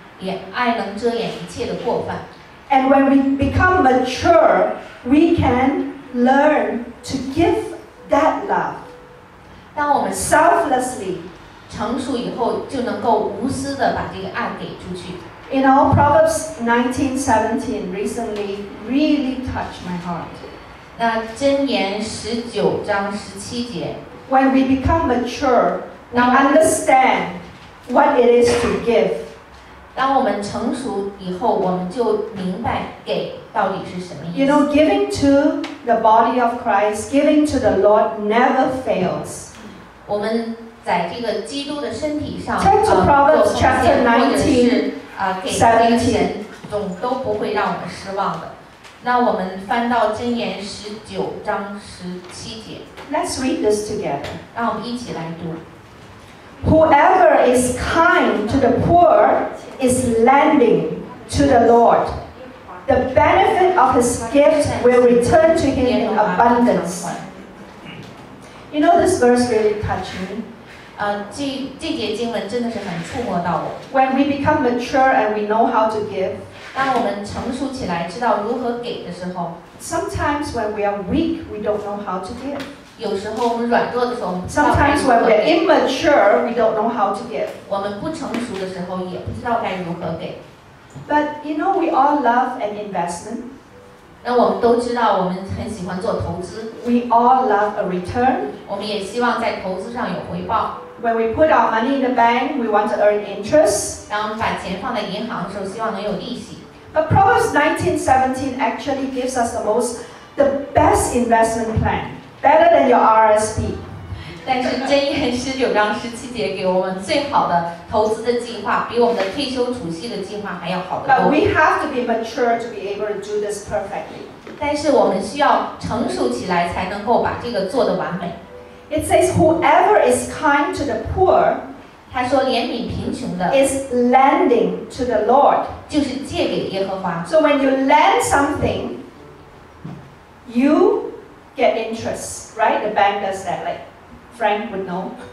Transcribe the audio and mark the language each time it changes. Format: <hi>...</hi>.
<zh>也爱能遮掩一切的过犯。</zh> <en>And when we become mature, we can learn to give that love.</en> <zh>当我们</zh> <en>selflessly</en> <zh>成熟以后，就能够无私的把这个爱给出去。</zh> <en>In our Proverbs 19:17 recently really touched my heart.</en> <zh>那箴言十九章十七节。</zh> <en>When we become mature, we understand what it is to give.</en> <zh>当我们成熟以后，我们就明白给到底是什么意思。</zh> <en>You know, giving to the body of Christ, giving to the Lord never fails.</en> <zh>我们在这个基督的身体上</zh> <en>Turn to Proverbs chapter</en> <zh>19:17 总都不会让我们失望的。那我们翻到箴言十九章十七节。</zh> <en>Let's read this together.</en> <zh>让我们一起来读。</zh> <en>Whoever is kind to the poor is lending to the Lord. The benefit of his gift will return to him in abundance. You know, this verse really touched me.</en> <zh>这节经文真的是很触摸到我。</zh> <en>When we become mature and we know how to give,</en> <zh>当我们成熟起来知道如何给的时候，</zh> <en>sometimes when we are weak, we don't know how to give.</en> <zh>有时候我们软弱的时候，</zh> <en>sometimes when we are immature, we don't know how to give.</en> <zh>我们不成熟的时候也不知道该如何给。</zh> <en>But you know, we all love an investment.</en> <zh>那我们都知道我们很喜欢做投资。</zh> <en>We all love a return.</en> <zh>我们也希望在投资上有回报。</zh> <en>When we put our money in the bank, we want to earn interest.</en> <zh>当我们把钱放在银行的时候，希望能有利息。</zh> <en>But Proverbs 19:17 actually gives us the best investment plan, better than your RSP.</en> <zh>但是箴言十九章十七节给我们最好的投资的计划，比我们的退休储蓄的计划还要好得多。</zh> <en>But we have to be mature to be able to do this perfectly.</en> <zh>但是我们需要成熟起来才能够把这个做得完美。</zh> <en>It says whoever is kind to the poor,</en> <zh>他说怜悯贫穷的</zh> <en>is lending to the Lord,</en> <zh>就是借给耶和华。</zh> <en>So when you lend something, you get interest, right? The bank does that, like Frank would know.</en>